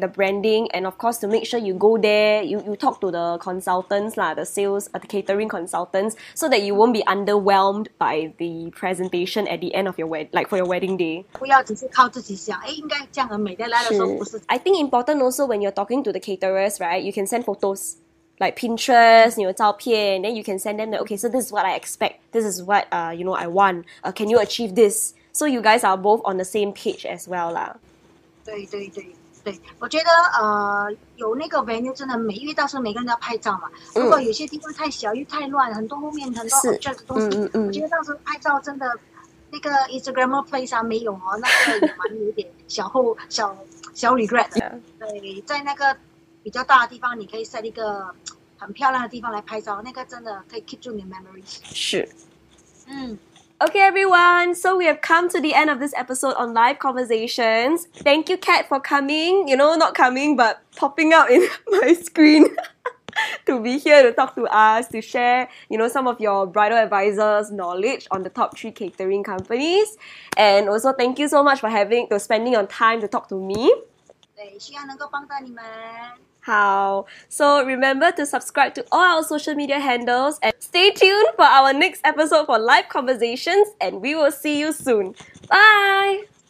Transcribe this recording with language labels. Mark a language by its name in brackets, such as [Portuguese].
[English] The branding and of course to make sure you go there, you talk to the consultants lah, the sales, the catering consultants, so that you won't be underwhelmed by the presentation at the end of your like for your wedding day. [Chinese] 不要只是靠自己想，哎，应该这样很美的。来的时候不是。 [English] I think important also when you're talking to the caterers, right? You can send photos. Like Pinterest, [Chinese] 你有照片, [English] then you can send them the, okay, so this is what I expect. This is what you know I want. Can you achieve this? So you guys are both on the same page as well, lah. [Chinese] 对，我觉得有那个 venue 真的美，因为到时候每个人都要拍照嘛。如果有些地方太小又太乱，很多后面很多 [English] object [Chinese] 的东西，我觉得到时候拍照真的那个 Instagram place 啊没有哦，那个也蛮有点小 [English] regret [Chinese] 的。对，在那个比较大的地方，你可以 [English] set [Chinese] 一个很漂亮的地方来拍照，那个真的可以 [English] keep [Chinese] 住你的 [English] memories. [Chinese] 是。 [English] Okay, everyone. So we have come to the end of this episode on Live Conversations. Thank you, Kat, for coming. You know, not coming, but popping out in my screen to be here to talk to us, to share, you know, some of your bridal advisor's knowledge on the top three catering companies. And also, thank you so much for spending your time to talk to me. [Chinese] 对，希望能够帮到你们。好, [English] so remember to subscribe to all our social media handles and stay tuned for our next episode for Live Conversations, and we will see you soon. Bye!